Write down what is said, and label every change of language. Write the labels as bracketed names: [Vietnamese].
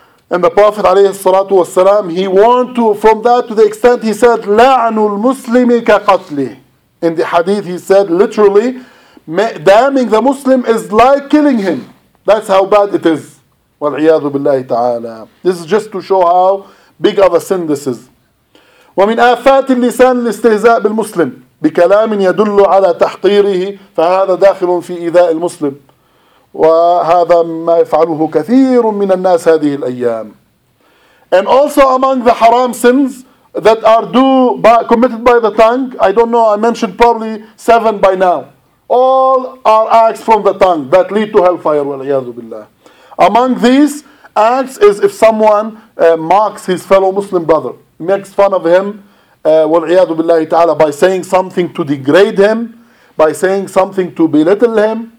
[English] And the Prophet [Arabic] عليه الصلاة والسلام, [English] he warned to, from that to the extent he said, [Arabic] لَعْنُ الْمُسْلِمِ كَقَتْلِهِ. [English] In the hadith he said, literally, damning the Muslim is like killing him. That's how bad it is. [Arabic] وَالْعِيَاذُ بِاللَّهِ تَعَالَى. [English] This is just to show how big of a sin this is. [Arabic] ومن آفات اللسان الاستهزاء بالمسلم بكلام يدل على تحقيره، فهذا داخل في إيذاء المسلم، وهذا ما يفعله كثير من الناس هذه الأيام. [English] And also among the haram sins that are committed by the tongue, I don't know, I mentioned probably 7 by now. All are acts from the tongue that lead to hellfire, [Arabic] والعياذ بالله. [English] Among these acts is if someone mocks his fellow Muslim brother, makes fun of him, [Arabic] والعياذ بالله تعالى, [English] by saying something to degrade him, by saying something to belittle him.